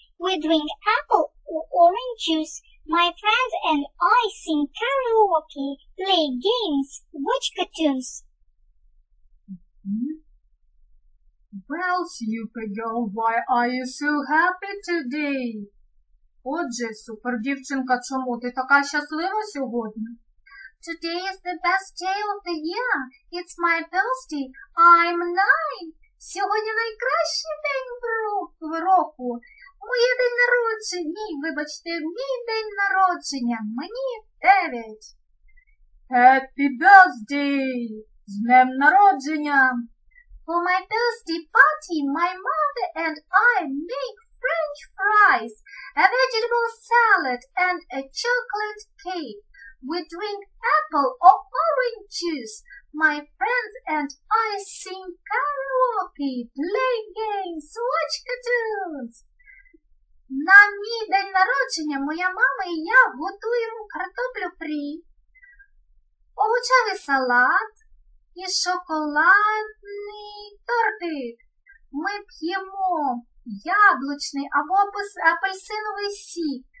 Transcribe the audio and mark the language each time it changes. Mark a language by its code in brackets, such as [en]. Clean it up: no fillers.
[en] We drink apple or orange juice. My friends and I sing karaoke, play games, watch cartoons. Well, super girl, why are you so happy today? [uk] Отже, супер дівчинка, чому ти така щаслива сьогодні? [en] Today is the best day of the year. It's my birthday. I'm 9. [uk] Сьогодні найкращий день року. Моє день народження. Ні, вибачте, мій день народження. Мені 9. [en] Happy birthday! [uk] З днем народження! [en] For my birthday party, my mother and I make French fries, a vegetable salad and a chocolate cake. We drink apple or orange juice. My friends and I sing karaoke, play games, watch cartoons. [uk] На мій день народження моя мама і я готуємо картоплю фрі, огурчовий салат і шоколадні торти. Ми п'ємо яблучний або апельсиновий сік.